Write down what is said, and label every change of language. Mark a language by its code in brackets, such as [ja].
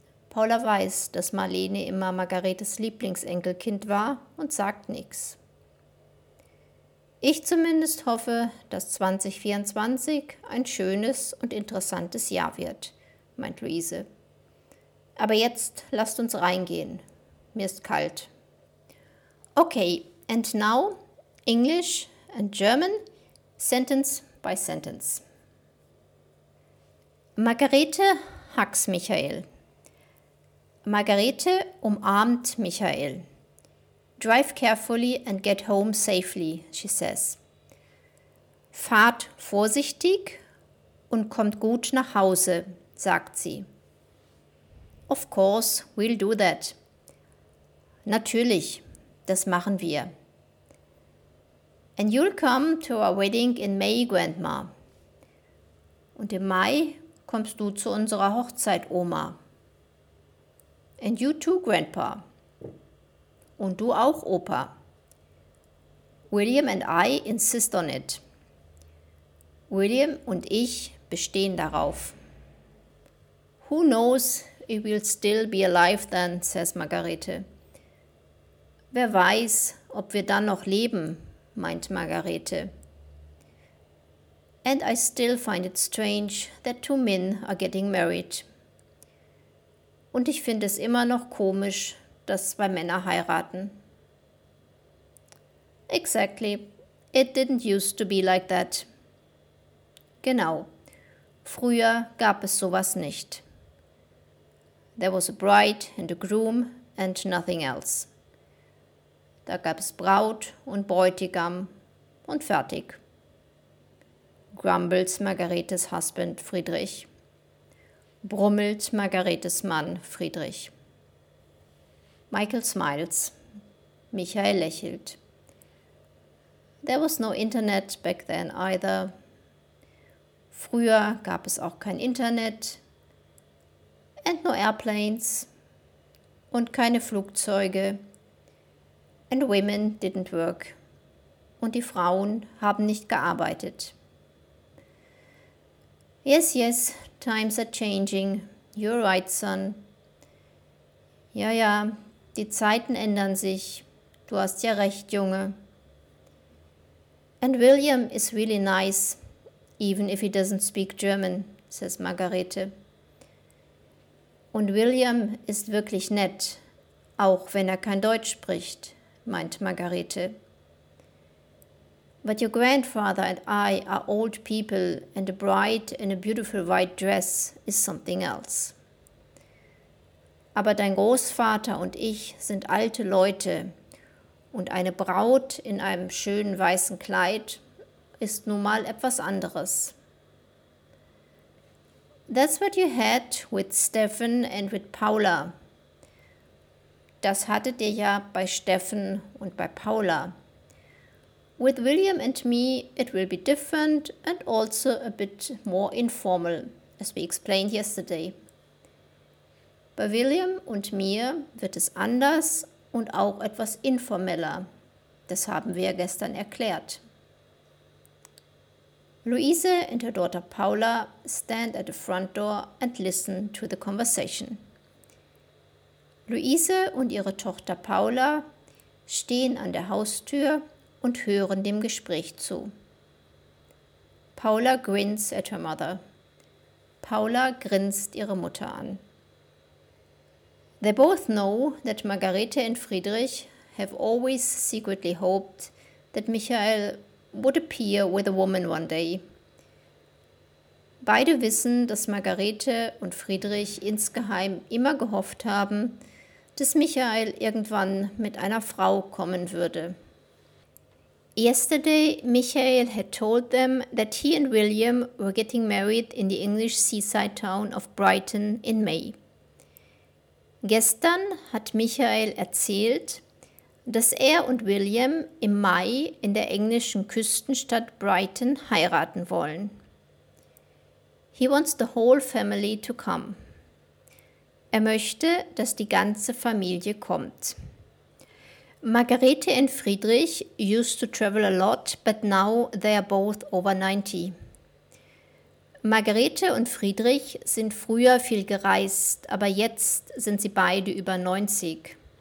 [de] Paula weiß, dass Marlene immer Margaretes Lieblingsenkelkind war und sagt nichts. Ich zumindest hoffe, dass 2024 ein schönes und interessantes Jahr wird, meint Luise. Aber jetzt lasst uns reingehen. Mir ist kalt. [en] Okay, and now English and German, sentence by sentence. Margarete hugs Michael. [de] Margarete umarmt Michael. [en] Drive carefully and get home safely, she says. [de] Fahrt vorsichtig und kommt gut nach Hause, sagt sie. [en] Of course, we'll do that. [de] Natürlich, das machen wir. [en] And you'll come to our wedding in May, Grandma. [de] Und im Mai kommst du zu unserer Hochzeit, Oma. [en] And you too, Grandpa. [de] Und du auch, Opa. [en] William and I insist on it. [de] William und ich bestehen darauf. [en] Who knows if we'll still be alive then, says Margarete. [de] Wer weiß, ob wir dann noch leben, meint Margarete. [en] And I still find it strange that two men are getting married. [de] Und ich finde es immer noch komisch, dass zwei Männer heiraten. [en] Exactly. It didn't used to be like that. [de] Genau. Früher gab es sowas nicht. [en] There was a bride and a groom and nothing else. [de] Da gab es Braut und Bräutigam und fertig. [en] Grumbles Margaretes Husband Friedrich. [de] Brummelt Margaretes Mann Friedrich. [en] Michael smiles. [de] Michael lächelt. [en] There was no internet back then either. [de] Früher gab es auch kein Internet. [en] And no airplanes. [de] Und keine Flugzeuge. [en] And women didn't work. [de] Und die Frauen haben nicht gearbeitet. [en] Yes, yes, times are changing. You're right, son. [de] Ja, ja, die Zeiten ändern sich. Du hast ja recht, Junge. [en] And William is really nice, even if he doesn't speak German, says Margarete. [de] Und William ist wirklich nett, auch wenn er kein Deutsch spricht, meint Margarete. [en] But your grandfather and I are old people and a bride in a beautiful white dress is something else. [de] Aber dein Großvater und ich sind alte Leute und eine Braut in einem schönen weißen Kleid ist nun mal etwas anderes. [en] That's what you had with Stefan and with Paula. [de] Das hattet ihr ja bei Stefan und bei Paula. [en] With William and me, it will be different and also a bit more informal, as we explained yesterday. [de] Bei William und mir wird es anders und auch etwas informeller. Das haben wir gestern erklärt. [en] Luise and her daughter Paula stand at the front door and listen to the conversation. [de] Luise und ihre Tochter Paula stehen an der Haustür und hören dem Gespräch zu. [en] Paula grins at her mother. [de] Paula grinst ihre Mutter an. [en] They both know that Margarete and Friedrich have always secretly hoped that Michael would appear with a woman one day. [de] Beide wissen, dass Margarete und Friedrich insgeheim immer gehofft haben, dass Michael irgendwann mit einer Frau kommen würde. [en] Yesterday, Michael had told them that he and William were getting married in the English seaside town of Brighton in May. [de] Gestern hat Michael erzählt, dass er und William im Mai in der englischen Küstenstadt Brighton heiraten wollen. [en] He wants the whole family to come. [de] Er möchte, dass die ganze Familie kommt. [en] Margarete and Friedrich used to travel a lot, but now they are both over 90. [de] Margarete und Friedrich sind früher viel gereist, aber jetzt sind sie beide über 90.